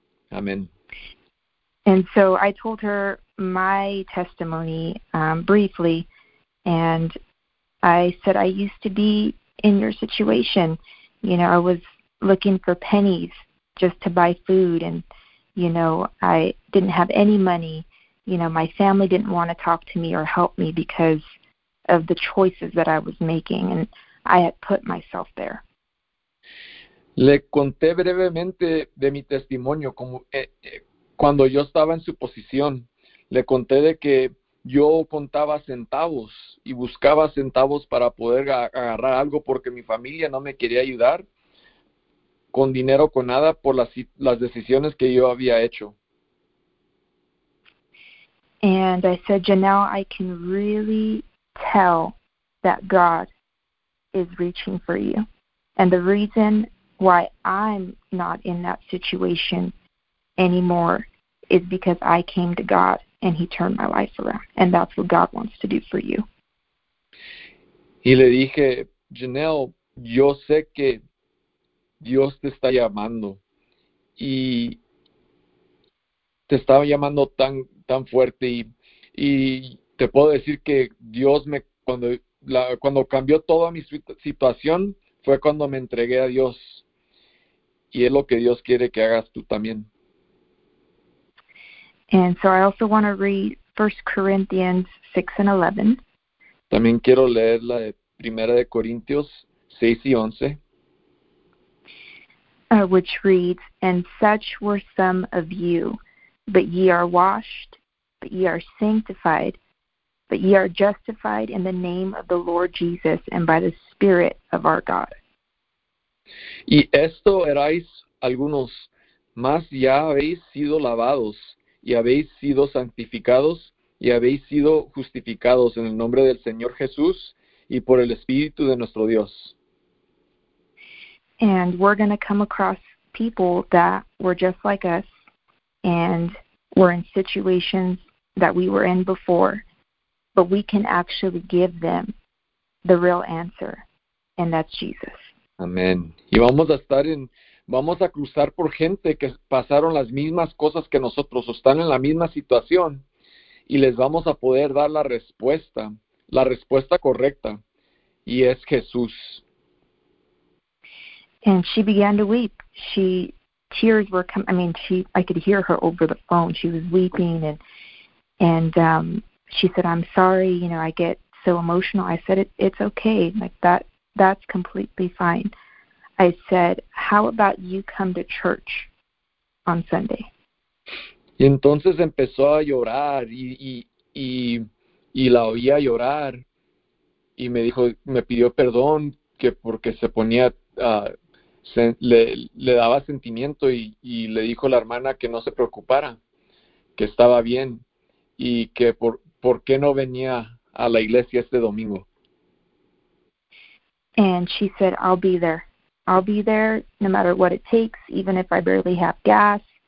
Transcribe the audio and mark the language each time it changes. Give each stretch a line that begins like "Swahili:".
Spanish: Amén.
English: And so I told her my testimony briefly, and I said, I used to be in your situation. You know, I was looking for pennies just to buy food, and, you know, I didn't have any money. You know, my family didn't want to talk to me or help me because of the choices that I was making, and I had put myself there.
Spanish: Le conté brevemente de mi testimonio, como cuando yo estaba en su posición. Le conté de que yo contaba centavos y buscaba centavos para poder agarrar algo, porque mi familia no me quería ayudar con dinero, con nada, por las decisiones que yo había hecho.
English: And I said, Janelle, I can really tell that God is reaching for you. And the reason why I'm not in that situation anymore is because I came to God and he turned my life around. And that's what God wants to do for you.
Spanish: Y le dije, Janelle, yo sé que Dios te está llamando. Y te estaba llamando tan fuerte, y te puedo decir que Dios me, cuando cambió toda mi situación, fue cuando me entregué a Dios. Y es lo que Dios quiere que hagas tú también.
English: And so I also want to read 1 Corinthians 6 and 11.
Spanish: También quiero leer la de Primera de Corintios 6 y 11.
English: Which reads, and such were some of you, but ye are washed, but ye are sanctified, but ye are justified in the name of the Lord Jesus and by the Spirit of our God.
Spanish: Y esto erais algunos, mas ya habéis sido lavados, y habéis sido santificados, y habéis sido justificados en el nombre del Señor Jesús y por el Espíritu de nuestro Dios.
English: And we're going to come across people that were just like us, and were in situations that we were in before, but we can actually give them the real answer, and that's Jesus.
Spanish: Amén. Y vamos a estar en, vamos a cruzar por gente que pasaron las mismas cosas que nosotros, o están en la misma situación, y les vamos a poder dar la respuesta correcta, y es Jesús.
English: And she began to weep. I could hear her over the phone. She was weeping, and she said, "I'm sorry, you know, I get so emotional." I said, "It's okay, like that. That's completely fine." I said, "How about you come to church on Sunday?"
Spanish: Y entonces empezó a llorar y la oía llorar y me dijo, me pidió perdón que porque se ponía le daba sentimiento y le dijo la hermana que no se preocupara, que estaba bien y que por qué no venía a la iglesia este domingo.
English: And she said, "I'll be there. I'll be there no matter what it takes, even if I barely have gas.